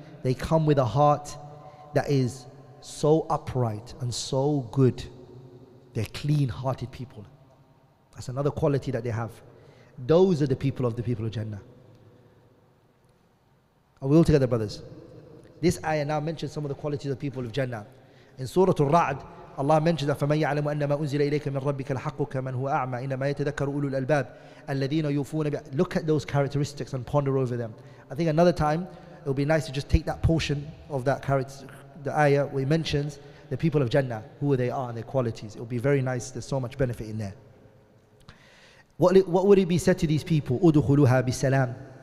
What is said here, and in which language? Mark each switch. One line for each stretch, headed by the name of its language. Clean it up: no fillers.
English: They come with a heart that is so upright and so good. They're clean-hearted people. That's another quality that they have. Those are the people of the people of Jannah. Are we all together, brothers? This ayah now mentions some of the qualities of the people of Jannah. In Surah Al-Ra'd, Allah mentions that
Arabic: فَمَنْ يَعْلَمُ أَنَّمَا أُنزِلَ إِلَيْكَ مِنْ رَبِّكَ الْحَقُّ كَمَنْ هُوَ أَعْمَى إِنَّمَا يَتَذَكَّرُ أُولُو الْأَلْبَابِ الَّذِينَ يُوفُونَ.
English: Look at those characteristics and ponder over them. I think another time it would be nice to just take that portion of that character, the ayah where he mentions the people of Jannah, who they are and their qualities. It would be very nice. There's so much benefit in there. What would it be said to these people?
Arabic: أُدُخُلُهَا بِسَلَامٍ.